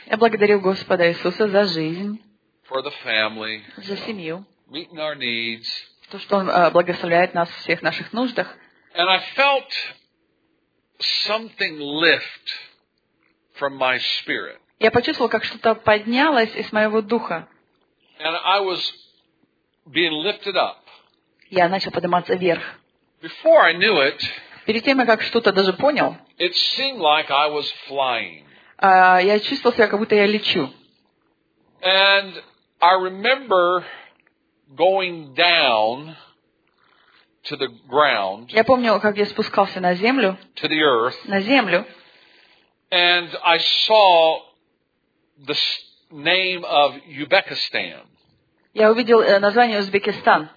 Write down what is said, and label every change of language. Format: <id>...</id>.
<ru>Я благодарил Господа Иисуса за жизнь.</ru> <en>For the family.</en> <ru>За семью.</ru> <en>Meeting our needs.</en> <ru>То, что Он благословляет нас в всех наших нуждах.</ru> <en>And I felt something lift from my spirit.</en> <ru>Я почувствовал, как что-то поднялось из моего духа.</ru> <en>And I was being lifted up.</en> <ru>Я начал подниматься вверх.</ru> <en>Before I knew it.</en> <ru>Перед тем, как что-то даже понял.</ru> <en>It seemed like I was flying.</en> <ru>Я чувствовал себя, как будто я лечу.</ru> <en>And I remember going down to the ground.</en> <ru>Я помню, как я спускался на землю.</ru> <en>To the earth.</en> <ru>На землю.</ru> <en>And I saw the name of Uzbekistan.</en> <ru>Я увидел название Узбекистан.</ru>